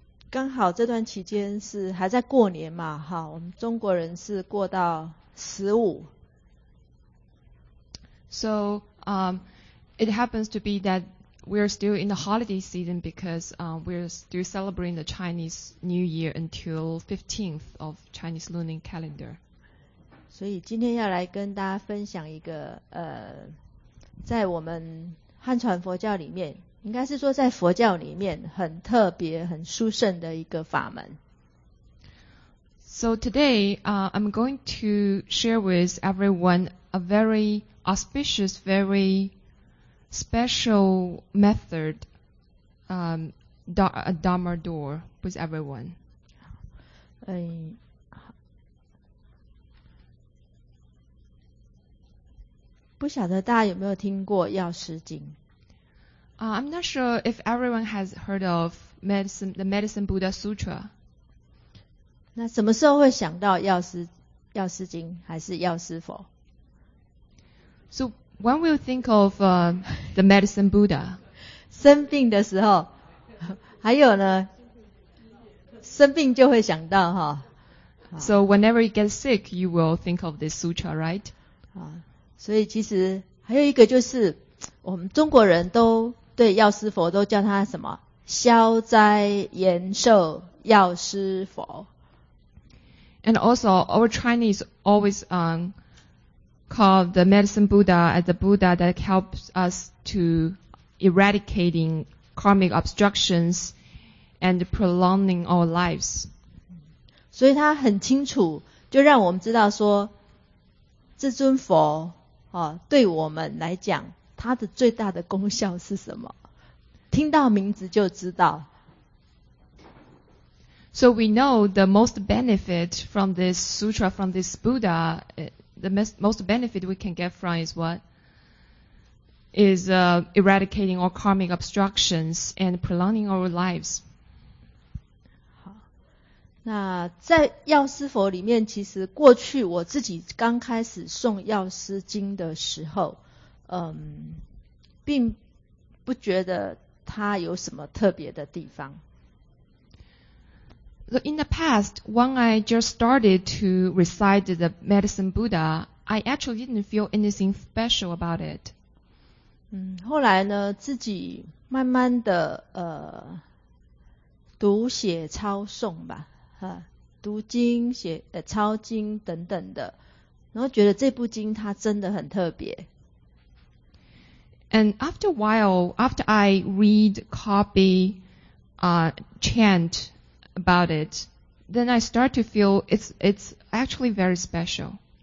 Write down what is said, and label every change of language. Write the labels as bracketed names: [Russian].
[Chinese] 刚好这段期间是还在过年嘛，哈，我们中国人是过到15。 [English] So it happens to be that we're still in the holiday season because we're still celebrating the Chinese New Year until 15th of Chinese Lunar Calendar. [Chinese] 所以今天要来跟大家分享一个在我们汉传佛教里面，应该是说在佛教里面很特别、很殊胜的一个法门。 [English] So today, I'm going to share with everyone a very auspicious, very special method, a Dharma door with everyone. [Chinese] 不晓得大家有没有听过药师经？ [English] I'm not sure if everyone has heard of the Medicine Buddha Sutra. [Chinese] 那什么时候会想到药师经还是药师佛？ [English] So when will you think of the Medicine Buddha? [Chinese] 生病的时候，还有呢，生病就会想到哈。 [English] So whenever you get sick, you will think of this sutra, right? [Chinese] 所以其实还有一个就是，我们中国人都对药师佛都叫他什么？消灾延寿药师佛。 [English] And also, our Chinese always call the Medicine Buddha as the Buddha that helps us to eradicating karmic obstructions and prolonging our lives. [Chinese] 所以他很清楚，就让我们知道说，这尊佛啊，对我们来讲，它的最大的功效是什么？听到名字就知道。 [English] So we know the most benefit from this sutra, from this Buddha, the most benefit we can get from is what? Is eradicating all karmic obstructions and prolonging our lives. [Chinese] 好，那在药师佛里面，其实过去我自己刚开始诵药师经的时候，并不觉得它有什么特别的地方。 [English] So in the past, when I just started to recite the Medicine Buddha, I actually didn't feel anything special about it. [Chinese] 后来呢，自己慢慢的读写抄诵吧，读经写抄经等等的，然后觉得这部经它真的很特别。 [English] And after a while, after I read, copy, chant about it, then I start to feel it's actually very special.